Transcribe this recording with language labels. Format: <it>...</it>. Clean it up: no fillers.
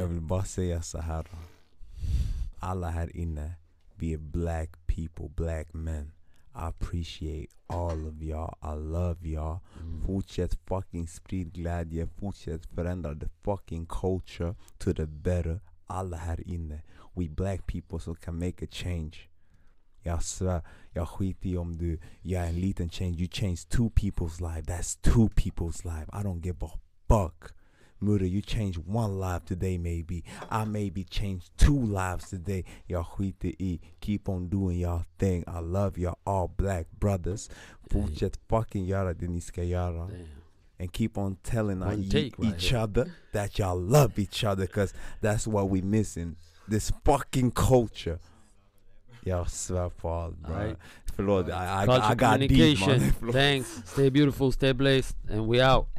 <sv>Jag vill bara säga så här. Alla här inne, vi är</sv> <en>black people, black men. I appreciate all of y'all. I love y'all.</en> <sv>Fortsätt fucking sprid glädje. Fortsätt förändra</sv> <en>the fucking culture to the better.</en> <sv>Alla här inne.</sv> <en>We black people so can make a change.</en> <sv>Jag svär. Jag skiter om du gör en liten</sv> <en>change. You change 2 people's life. That's 2 people's life. I don't give a fuck. Murder, you changed one life today, maybe. I maybe changed two lives today. Y'all skiter I. Keep on doing y'all thing. I love y'all all black brothers.</en> <sv>Fortsätt fucking göra det ni ska göra.</sv> <en>And keep on telling each other that y'all love each other, because that's what we missing. This fucking culture. Y'all swear for all, bro. Right. I got deep, man. Thanks. Stay beautiful, stay blessed, and we out.</en>